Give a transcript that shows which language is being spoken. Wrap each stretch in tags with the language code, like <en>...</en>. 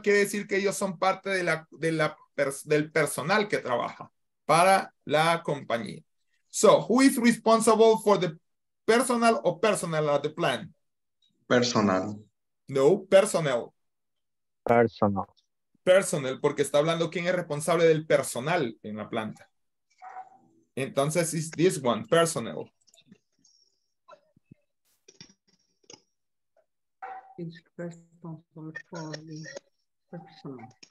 <es>Quiere decir que ellos son parte del personal que trabaja para la compañía.</es> <en>So, who is responsible for the personal or personnel at the plant? Personal. No, personnel. Personal.</en> <es>Personal, porque está hablando quién es responsable del personal en la planta.</es> <en>Entonces, it's this one, personnel. It's responsible for the personal.</en>